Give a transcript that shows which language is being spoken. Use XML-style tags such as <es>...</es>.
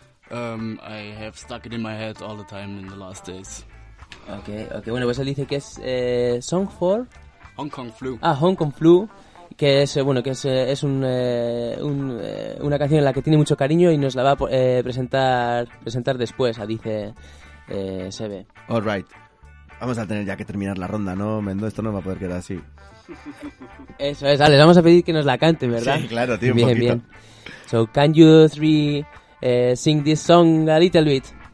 <en>I have stuck it in my head all the time in the last days. Okay.</en> <es>Bueno, pues él dice que es</es> <en>song for Hong Kong Flu.</en> <es>Ah, Hong Kong Flu, que es bueno, que es una canción en la que tiene mucho cariño y nos la va a presentar después. Dice Sebe.</es> <en>All right.</en> <es>Vamos a tener ya que terminar la ronda, ¿no, Mendo? Esto no va a poder quedar así. Eso es, Alex. Vamos a pedir que nos la cante, ¿verdad? Sí, claro, tío, bien, un poquito. Bien.</es> <en>So, can you three sing this song a little bit?</en>